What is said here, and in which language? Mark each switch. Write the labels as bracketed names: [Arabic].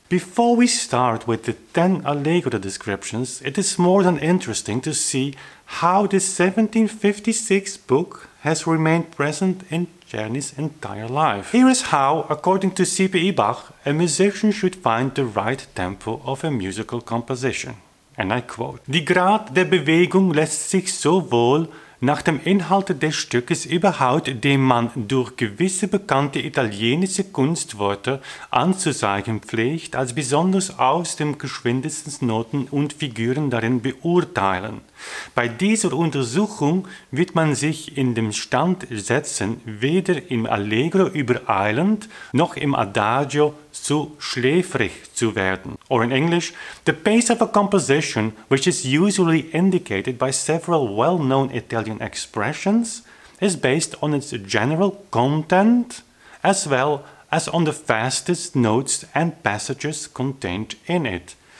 [English] Before we start with the 10 Allegro descriptions, it is more than interesting to see how the 1756 book has remained present in Czerny's entire life. Here is how, according to C.P.E. Bach, a musician should find the right tempo of a musical composition. [German] And I quote, "Die Grad der Bewegung lässt sich sowohl nach dem Inhalte des Stückes überhaupt, dem man durch gewisse bekannte italienische Kunstwörter anzuzeigen pflegt, als besonders aus dem geschwindesten Noten und Figuren darin beurteilen. Bei dieser Untersuchung wird man sich in dem Stand setzen, weder im Allegro übereilend noch im Adagio zu schläfrig zu werden." [English] Or in English, "The pace of a composition, which is usually indicated by several well-known Italian expressions, is based on its general content as well as on the fastest notes and passages contained in it.